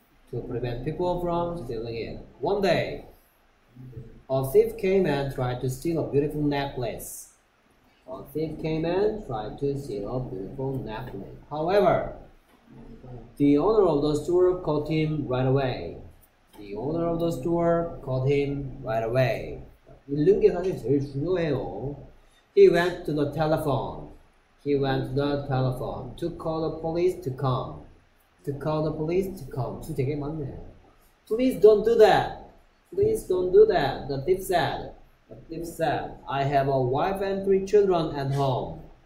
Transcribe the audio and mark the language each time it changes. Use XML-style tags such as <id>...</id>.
<en>To prevent people from stealing it. One day, a thief came and tried to steal a beautiful necklace. A thief came and tried to steal a beautiful necklace. However, the owner of the store caught him right away. The owner of the store caught him right away.</en> <ko>이런 게 사실 제일 중요해요.</ko> <en>He went to the telephone. He went to the telephone to call the police to come. To call the police to come.</en> <ko>되게 많네.</ko> <en>Please don't do that. Please don't do that. The thief said. The thief said, I have a wife and three children at home.</en>